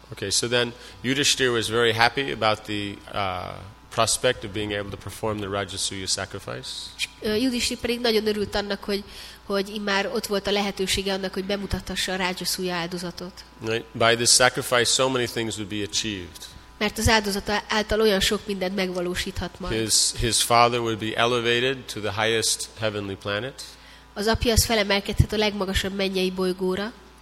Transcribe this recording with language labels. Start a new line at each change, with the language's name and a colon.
English: So then Yudhishthir was very happy about the prospect of being able to perform the Rajasuya sacrifice.
Hungarian: Yudhishthir pedig nagyon örült annak, hogy immár ott volt a lehetősége annak, hogy bemutathassa a Rajasuya áldozatot.
English: By this sacrifice, so many things would be achieved.
Hungarian: Mert az áldozata által olyan sok mindent megvalósíthat majd.
English: His father would be elevated to the highest heavenly planet.
Hungarian: Az apja az felemelkedhet a legmagasabb mennyei bolygóra.